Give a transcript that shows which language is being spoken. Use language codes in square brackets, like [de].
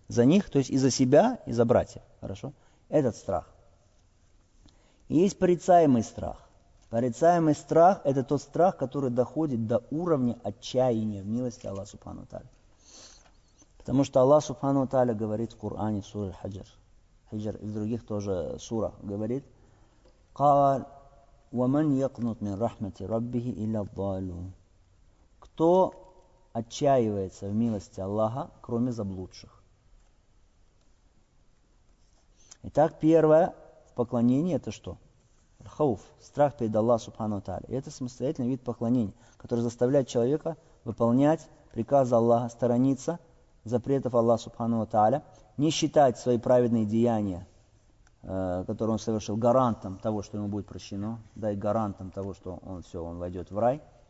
[ru] За них, то есть и за себя, и за братьев. Хорошо? Этот страх. И есть порицаемый страх. Порицаемый страх – это тот страх, который доходит до уровня отчаяния в милости Аллаха Субхану Тааля. Потому что Аллах Субхану Тааля говорит в Коране, в суре Хаджр. Хаджр и в других тоже сурах говорит, [ar] قال ومن يقنط من رحمة ربه إلا الضالون. [ru] Кто отчаивается в милости Аллаха, кроме заблудших? Итак, первое в поклонении это что? Хауф, страх перед Аллахом Субхану Тааля. Это самостоятельный вид поклонения, который заставляет человека выполнять приказы Аллаха, сторониться запретов Аллаха Субхану Тааля, не считать свои праведные деяния, который он совершил, гарантом того, что ему будет прощено, да и гарантом того, что он все, он войдет в рай.